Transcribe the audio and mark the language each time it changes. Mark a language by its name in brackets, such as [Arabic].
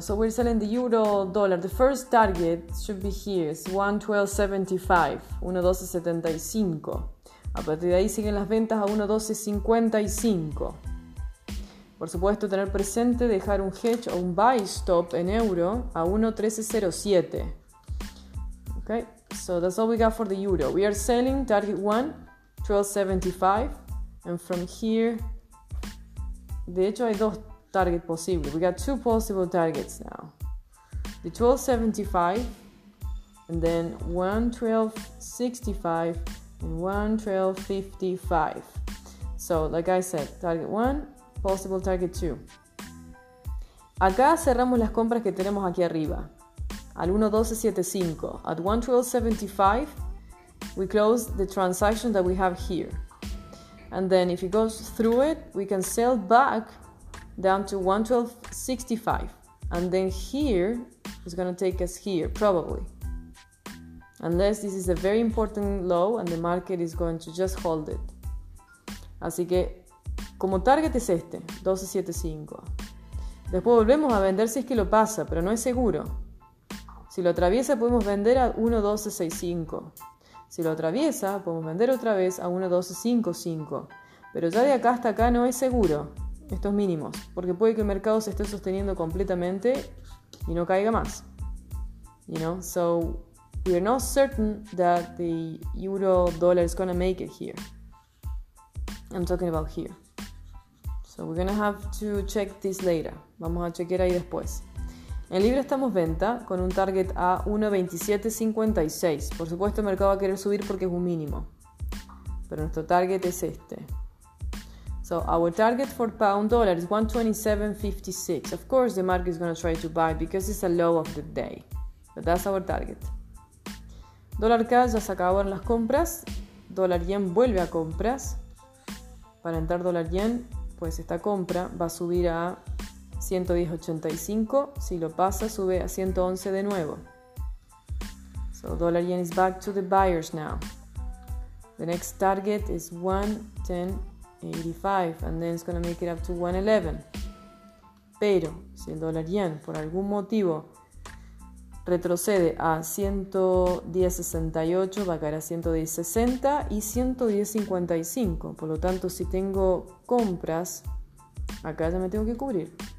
[English] So we're selling the euro dollar. The first target should be here. It's 1.1275. 1.1275. [Spanish] A partir de ahí siguen las ventas a 1.1255. Por supuesto, tener presente dejar un hedge o un buy stop en euro a 1.1307. [English] Okay, so that's all we got for the euro. We are selling target 1.1275. And from here, [Spanish] de hecho hay dos targets posibles. [English] We got two possible targets now. The 1.1275 and then 1.1265. And 1.1255. So, like I said, target 1, possible target 2. [Spanish] Acá cerramos las compras que tenemos aquí arriba. Al 1.1275. [English] At 1.1275, we close the transaction that we have here. And then if it goes through it, we can sell back down to 1.1265. And then here, it's going to take us here, probably. Unless this is a very important low and the market is going to just hold it. [Spanish] Así que, como target es este, 1.1275. Después volvemos a vender si es que lo pasa, pero no es seguro. Si lo atraviesa, podemos vender a 1.1265. Si lo atraviesa, podemos vender otra vez a 1.1255. Pero ya de acá hasta acá no es seguro, estos mínimos. Porque puede que el mercado se esté sosteniendo completamente y no caiga más. [English] You know, so we are not certain that the euro dollar is going to make it here. I'm talking about here. So we're going to have to check this later. [Spanish] Vamos a chequear ahí después. En libra estamos venta con un target a 1.2756. Por supuesto, el mercado va a querer subir porque es un mínimo. Pero nuestro target es este. [English] So our target for pound dollar is 1.2756. Of course, the market is going to try to buy because it's a low of the day. But that's our target. [Spanish] Dólar CAD, ya se acabaron las compras. Dólar yen vuelve a compras. Para entrar dólar yen, pues esta compra va a subir a 110.85. Si lo pasa, sube a 111 de nuevo. [English] So dólar yen is back to the buyers now. The next target is 1.1085 and then it's going to make it up to 1.11. [Spanish] Pero si el dólar yen por algún motivo retrocede a 110.68, va a caer a 110.60 y 110.55. Por lo tanto, si tengo compras, acá ya me tengo que cubrir.